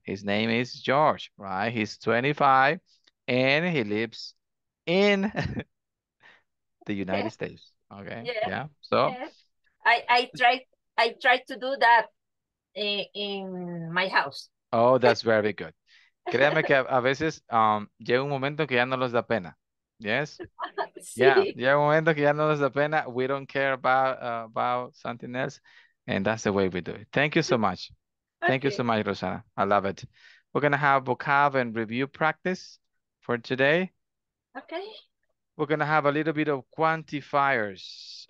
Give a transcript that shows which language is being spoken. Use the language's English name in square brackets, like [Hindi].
[English] His name is George, right? He's 25 and he lives in the United States. Okay. Yeah. So. I try to do that in my house. Oh, that's very good. [Spanish] Créame que a veces llega un momento que ya no les da pena. [English] Yes. Yeah, [Spanish] Sí. llega un momento que ya no les da pena. [English] We don't care about something else. And that's the way we do it. Thank you so much. Thank you so much, Rosanna. I love it. We're going to have vocab and review practice for today. Okay. We're going to have a little bit of quantifiers.